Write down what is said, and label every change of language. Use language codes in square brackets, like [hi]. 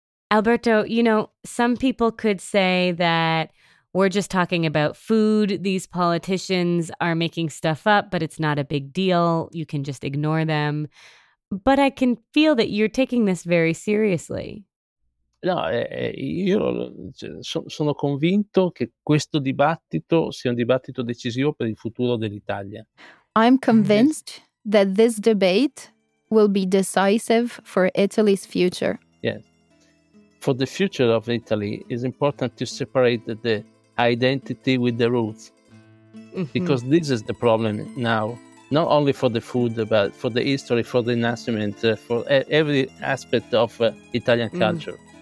[en] Alberto, you know, some people could say that we're just talking about food. These politicians are making stuff up, but it's not a big deal. You can just ignore them. But I can feel that you're taking this very seriously. [it] No, io sono convinto che questo dibattito sia un dibattito decisivo per il futuro dell'Italia. [en] I'm convinced that this debate will be decisive for Italy's future. Yes. For the future of Italy, it's important to separate the identity with the roots. Mm-hmm. Because this is the problem now, not only for the food, but for the history, for the Renaissance, for every aspect of Italian culture.